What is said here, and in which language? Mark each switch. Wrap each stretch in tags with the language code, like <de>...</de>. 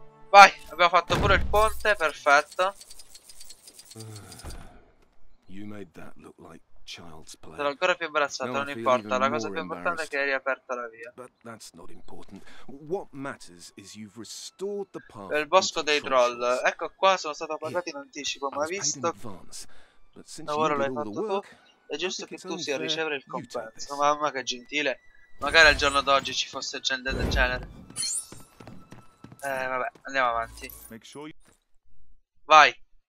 <it>Vai, abbiamo fatto pure il ponte, perfetto.</it> <en>You made that look like child's play.</en> <it>Sono ancora più imbarazzato, non importa. La cosa più importante è che hai riaperto la via.</it> <en>But that's not important. What matters is you've restored the path.</en> <it>Il bosco dei troll. Ecco qua, sono stato pagato in anticipo, ma visto. Ora l'hai fatto tu. È giusto che tu sia a ricevere il compenso. Mamma che gentile. Magari al giorno d'oggi ci fosse gente del genere. Vabbè, andiamo avanti. Vai.</it>